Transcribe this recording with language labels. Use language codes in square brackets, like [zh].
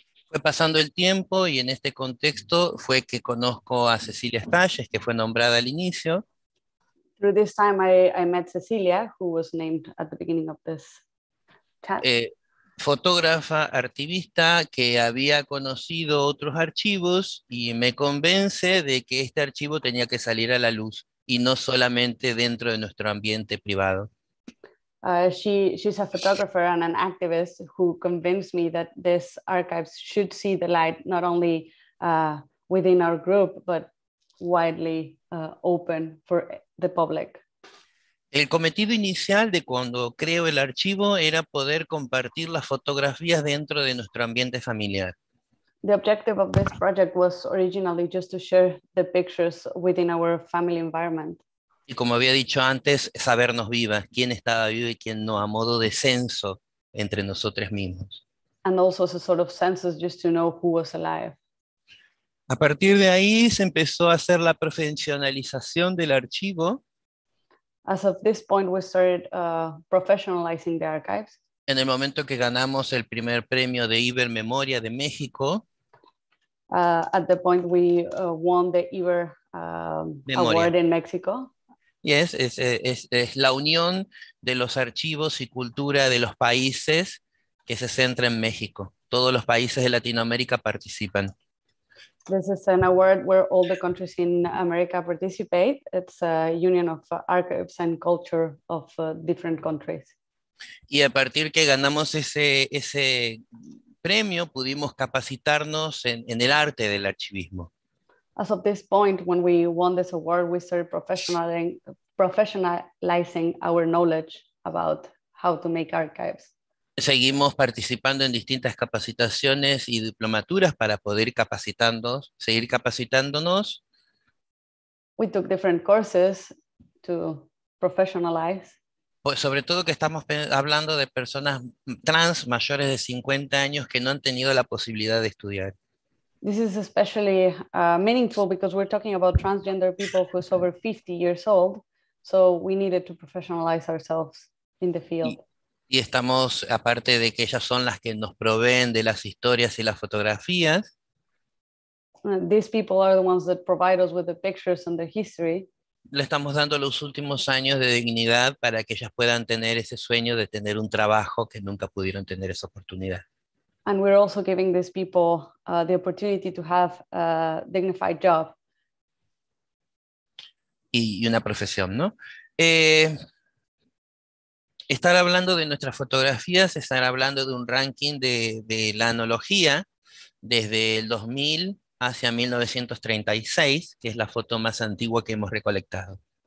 [es] Fue pasando el tiempo y en este contexto fue que conozco a Cecilia Stalles, que fue nombrada al inicio. [en] Through this time I met Cecilia, who was named at the beginning of this chat. [es] Fotógrafa, artivista, que había conocido otros archivos y me convence de que este archivo tenía que salir a la luz y no solamente dentro de nuestro ambiente privado. [en] She's a photographer and an activist who convinced me that this archives should see the light not only within our group, but widely open for the public. [es] El cometido inicial de cuando creo el archivo era poder compartir las fotografías dentro de nuestro ambiente familiar. [en] The objective of this project was originally just to share the pictures within our family environment. [es] Y como había dicho antes, sabernos viva, quién estaba vivo y quién no, a modo de censo entre nosotros mismos. [en] And also as a sort of census just to know who was alive. [es] A partir de ahí se empezó a hacer la profesionalización del archivo. [en] As of this point, we started professionalizing the archives. [es] En el momento que ganamos el primer premio de Ibermemoria de México. [en] At the point we won the Iber Award in Mexico. [es] Yes, es la unión de los archivos y cultura de los países que se centra en México. Todos los países de Latinoamérica participan. [en] This is an award where all the countries in America participate. It's a union of archives and culture of different countries. [es] Y a partir que ganamos ese premio, pudimos capacitarnos en el arte del archivismo. [en] As of this point, when we won this award, we started professionalizing our knowledge about how to make archives. [es] Seguimos participando en distintas capacitaciones y diplomaturas para poder seguir capacitándonos. [en] We took different courses to professionalize. [es] Pues sobre todo que estamos hablando de personas trans mayores de 50 años que no han tenido la posibilidad de estudiar. [en] This is especially meaningful because we're talking about transgender people who's over 50 years old, so we needed to professionalize ourselves in the field. [es] Y estamos, aparte de que ellas son las que nos proveen de las historias y las fotografías. [en] These people are the ones that provide us with the pictures and the history. [es] Le estamos dando los últimos años de dignidad para que ellas puedan tener ese sueño de tener un trabajo que nunca pudieron tener esa oportunidad. [en] And we're also giving these people the opportunity to have a dignified job. [es] Y una profesión, ¿no? Estar hablando de nuestras fotografías, estar hablando de un ranking de la analogía desde el 2000 hacia 1936, que es la foto más antigua que hemos recolectado.